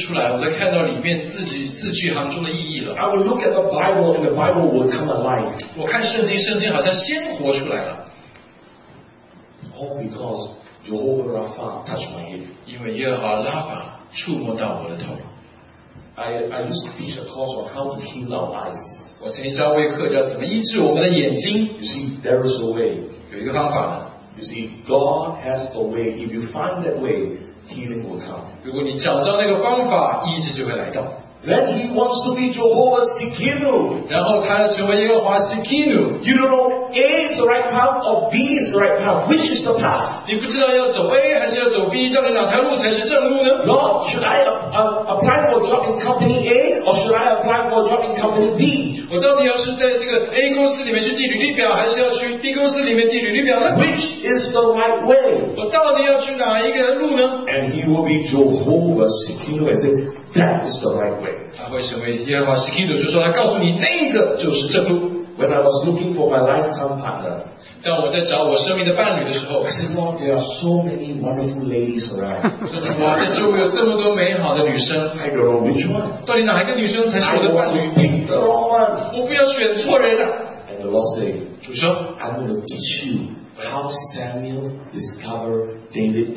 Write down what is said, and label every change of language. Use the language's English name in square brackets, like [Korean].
[Chinese] 我看报纸，那个报纸好像都有先知性的启示出来，我都看到里面字句行中的意义了。 [English] I would look at the Bible and the Bible would come alive. [Chinese] 我看圣经，圣经好像鲜活出来了。 [English] All because Jehovah Rapha touched my head. [Chinese] 因为耶和华拉法触摸到我的头。 [English] I used to teach a course on how to heal our eyes. [Chinese] 我曾经教过一课叫怎么医治我们的眼睛。 [English] You see, there is a way. [Chinese] 有一个方法。 [English] You see, God has a way. If you find that way, healing will come. [Chinese] 如果你找到那个方法，医治就会来到。 [English] Then he wants to be Jehovah Sikinu. [Chinese] 然后他要成为耶和华 Sikinu. [English] You don't know A is the right path or B is the right path. Which is the path? [Chinese] 你不知道要走A还是要走B, 到底哪条路才是正路呢? [English] Lord, should I apply for a job in company A or should I apply for a job in company B? [Chinese] 我到底要是在这个A公司里面去递履历表还是要去B公司里面递履历表呢? [English] Which is the right way? [Chinese] 我到底要去哪一个路呢? [English] And he will be Jehovah seeking as if that is the right way. [Chinese] 他会成为耶和华希基督，就说他告诉你那个就是正路。 [English] When I was looking for my lifetime partner, [Chinese] 当我在找我生命的伴侣的时候, [English] I said, Lord, there are so many wonderful ladies around. [Chinese] 说主啊，在周围有这么多美好的女生, [English] I don't know which one. [Chinese] 到底哪一个女生才是我的伴侣? [English] I don't want to pick the wrong one. [Chinese] 我不要选错人了。 [English] And the Lord said, [Chinese] 主说, [English] I'm going to teach you how Samuel discovered David.